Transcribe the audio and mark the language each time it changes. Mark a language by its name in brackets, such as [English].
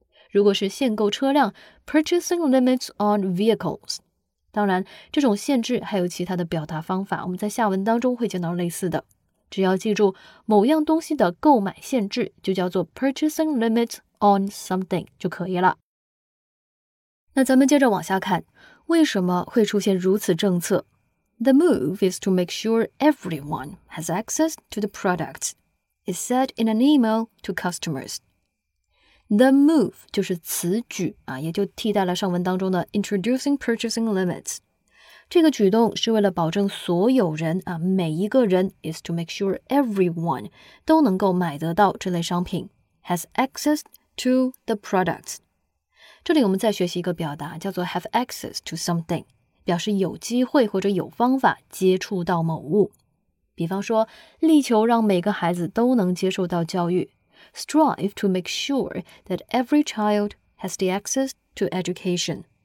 [Chinese] 如果是限购车辆 [English] purchasing limits on vehicles， [Chinese] 当然这种限制还有其他的表达方法，我们在下文当中会见到类似的。只要记住某样东西的购买限制，就叫做 [English] purchasing limit。 On something [Chinese] 就可以了。那咱们接着往下看，为什么会出现如此政策 [English] ？The move is to make sure everyone has access to the products, it said in an email to customers. The move [Chinese] 就是此举啊，也就替代了上文当中的 [English] introducing purchasing limits。 [Chinese] 这个举动是为了保证所有人啊，每一个人 [English] is to make sure everyone [Chinese] 都能够买得到这类商品 [English] has access. To the products. [Chinese] 这里我们再学习一个表达叫做 [English] have access to something. [Chinese] 表示有机会或者有方法接触到某物。比方说，力求让每个孩子都能接受到教育。 [English] Strive to make sure that every child has the access to education.